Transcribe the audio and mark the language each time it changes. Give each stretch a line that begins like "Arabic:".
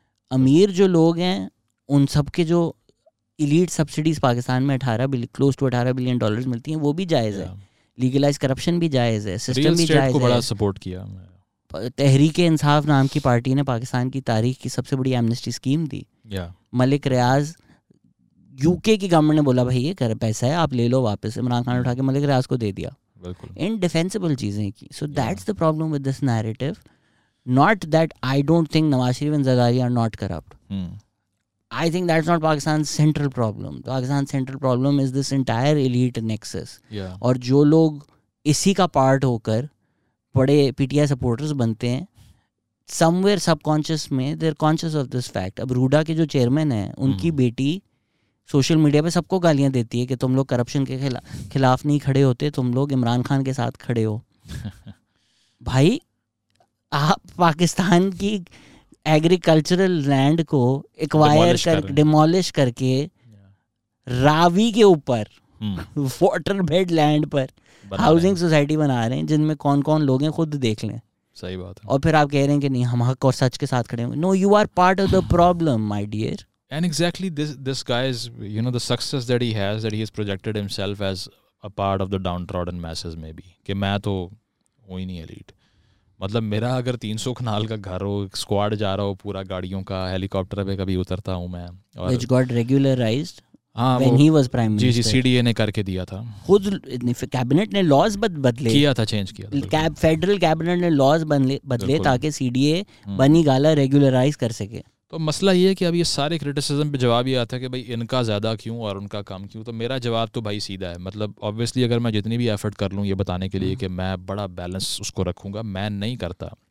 Urdu: امیر جو لوگ ہیں ان سب کے جو ایلیٹ سبسڈیز پاکستان میں $18 بلین ملتی ہیں وہ بھی جائز ہے, لیگلائز کرپشن بھی جائز ہے, سسٹم بھی جائز ہے. بڑا سپورٹ کیا تحریک انصاف نام کی پارٹی نے, پاکستان کی تاریخ کی سب سے بڑی Amnesty scheme the. Malik Riyadh you کے کی گورنمنٹ نے بولا بھائی یہ پیسہ ہے آپ لے لو واپس, عمران خان اٹھا کے ملک ریاض کو دے دیا. بالکل ان ڈیفینسیبل چیزیں کی.
English: So that's the problem with this narrative. Not that I don't think Nawaz Sharif and Zardari are not corrupt. I think that's not Pakistan's central problem. Pakistan's central problem is this entire elite nexus. Yeah.
Urdu: اور جو لوگ اسی کا part ہو کر بڑے P T I supporters بنتے ہیں
English: Somewhere subconscious میں they are conscious of this fact.
Urdu: اب روڈا کے جو چیئرمین ہیں ان کی بیٹی سوشل میڈیا پہ سب کو گالیاں دیتی ہے کہ تم لوگ کرپشن کے خلاف نہیں کھڑے ہوتے, تم لوگ عمران خان کے ساتھ کھڑے ہو. بھائی آپ پاکستان کی ایگریکلچرل لینڈ کو ایکوائر کر ڈیمولش کر کے راوی کے اوپر واٹر بیڈ لینڈ پر ہاؤسنگ سوسائٹی بنا رہے ہیں جن میں کون کون لوگ ہیں خود دیکھ لیں. صحیح بات ہے. اور پھر آپ کہہ رہے ہیں کہ نہیں ہم حق اور سچ کے ساتھ کھڑے ہوں.
English: No you are part of the problem my dear. And exactly this guys you know the success that he has projected himself as a part of the down trodden masses may be,
Urdu: کہ میں تو وہ ہی نہیں elite. مطلب میرا اگر 300 کنال کا گھر ہو, اسکواڈ جا رہا ہو پورا گاڑیوں کا, ہیلی کاپٹر پہ کبھی اترتا ہوں میں,
English: اور which got regularised when he was prime minister.
Urdu: جی C D A نے کر کے دیا تھا, خود کیبنٹ نے لاز بدلے کیا تھا, چینج کیا تھا, فیڈرل کیبنٹ نے لاز بدلے تاکہ سی ڈی اے بنی گالا ریگولرائز کر سکے. تو مسئلہ یہ ہے کہ اب یہ سارے کرٹیسزم پہ جواب یہ آتا ہے کہ بھائی ان کا زیادہ کیوں اور ان کا کم کیوں. تو میرا جواب تو بھائی سیدھا ہے, مطلب آبویسلی اگر میں جتنی بھی ایفرٹ کر لوں یہ بتانے کے لیے کہ میں بڑا بیلنس اس کو رکھوں گا, میں نہیں کرتا.